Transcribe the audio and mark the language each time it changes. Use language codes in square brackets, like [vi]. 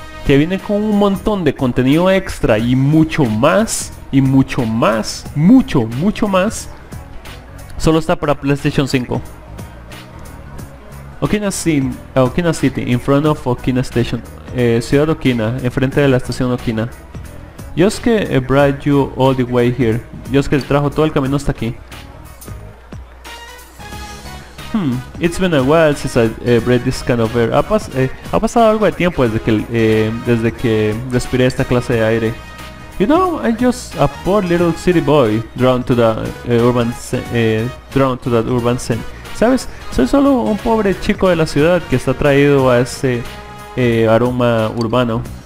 [es] que viene con un montón de contenido extra y mucho más, y mucho más, mucho, mucho más, solo está para PlayStation 5. [en] Okina City, in front of Okina Station, [es] Ciudad Okina, enfrente de la estación Okina. [en] Yosuke brought you all the way here. [es] Yosuke le trajo todo el camino hasta aquí. [en] It's been a while since I breathed this kind of air. [es] Ha pasado algo de tiempo desde que respiré esta clase de aire. [en] You know, I'm just a poor little city boy drawn to that urban scene. [es] ¿Sabes? Soy solo un pobre chico de la ciudad que está atraído a ese aroma urbano.